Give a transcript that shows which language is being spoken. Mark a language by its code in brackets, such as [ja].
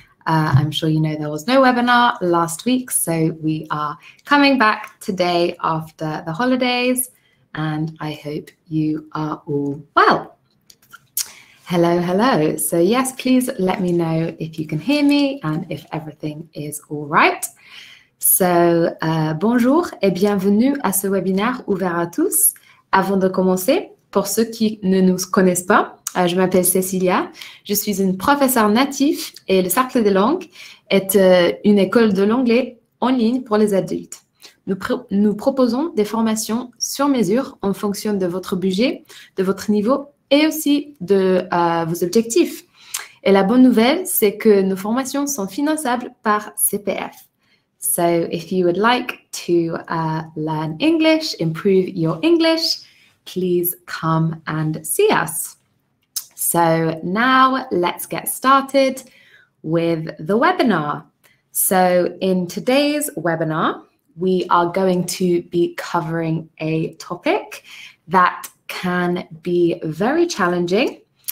[en] I'm sure you know there was no webinar last week, so we are coming back today after the holidays, and I hope you are all well. Hello, hello. So yes, please let me know if you can hear me and if everything is all right. [fr] So bonjour et bienvenue à ce webinaire ouvert à tous. Avant de commencer, pour ceux qui ne nous connaissent pas, je m'appelle Cecilia, je suis une professeure native et le Cercle des langues est une école de l'anglais en ligne pour les adultes. Nous proposons des formations sur mesure en fonction de votre budget, de votre niveau et aussi de vos objectifs. Et la bonne nouvelle, c'est que nos formations sont finançables par CPF. [en] So if you would like to learn English, improve your English, please come and see us. So now let's get started with the webinar. So in today's webinar, we are going to be covering a topic that can be very challenging.